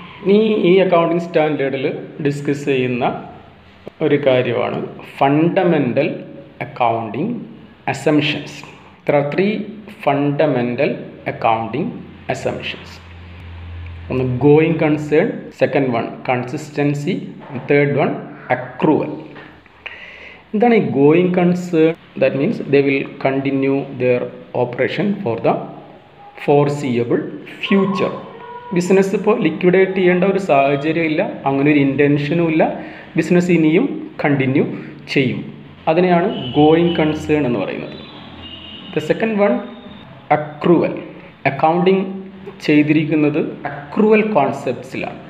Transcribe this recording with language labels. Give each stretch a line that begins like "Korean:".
Malayalam: ഇനി ഈ accounting സ്റ്റാൻഡേർഡിൽ discuss ചെയ്യുന്ന ഒരു കാര്യമാണ് fundamental accounting assumptions.
English: There are three fundamental accounting assumptions. ഒന്ന് going concern, second one consistency, third one accrual.
Malayalam: എന്താണ് ഈ
English: Going concern? That means they will continue their operation for the foreseeable future.
Malayalam: Business ഇപ്പോൾ liquidate ചെയ്യേണ്ട ഒരു സാഹചര്യമില്ല, അങ്ങനെ ഒരു ഇൻറ്റൻഷനും ഇല്ല, ബിസിനസ് ഇനിയും കണ്ടിന്യൂ ചെയ്യും. അതിനെയാണ് ഗോയിങ് കൺസേൺ എന്ന് പറയുന്നത്.
English: The second one accrual.
Malayalam: Accounting ചെയ്തിരിക്കുന്നത് അക്രൂവൽ കോൺസെപ്റ്റ്സിലാണ്.